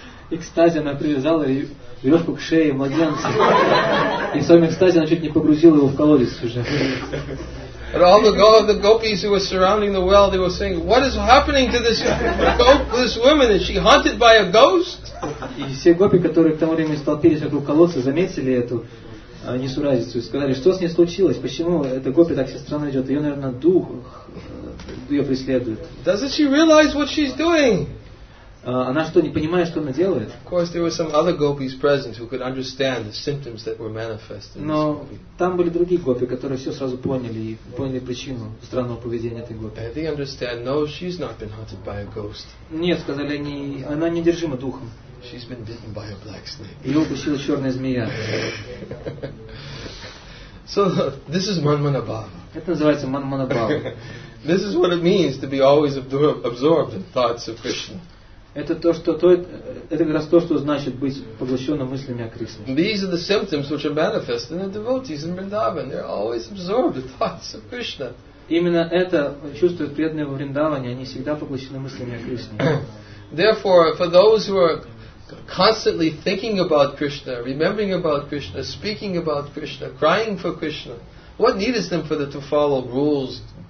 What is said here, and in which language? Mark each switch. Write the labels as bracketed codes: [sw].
[ru] И кстати, она привязала ее веревку к шее младенца. И сами, кстати, она чуть не погрузила его в колодец уже. [en] And all the gopis who were surrounding the well, they were saying, what is happening to this this woman? Is she haunted by a ghost? [ru] И все гопи, которые к тому времени столпились вокруг колодца, заметили эту несуразицу и сказали, что с ней случилось? Почему эта гопи так все странно идет? Ее, наверное, дух ее преследует. [en] Doesn't she realize what she's doing? [ru] Она что, не понимает, что она делает? [en] Of course, there were some other gopis present who could understand the symptoms that were manifest. [ru] Но там были другие гопи, которые все сразу поняли и поняли причину странного поведения этой гопи. [en] They understand, no, she's not been haunted by a ghost. [ru] Нет, сказали они, она недержима духом. [en] She's been bitten by a black snake. [ru] Ее укусила черная змея. [en] So this is Manmanabhava. [ru] Это называется Манманабхава. [en] This is what it means to be always absorbed in thoughts of Krishna. [ru] Это то, что это как раз то, что значит быть поглощенным мыслями о Кришне. [en] These are the symptoms which are manifest in the devotees in Vrindavan. They're always absorbed in thoughts of Krishna. [ru] Именно это чувствуют преданные во Вриндаване. Они всегда поглощены мыслями о Кришне. [en] Therefore, for those who are constantly thinking about Krishna, remembering about Krishna, speaking about Krishna, crying for Krishna, what need is them for them to follow rules?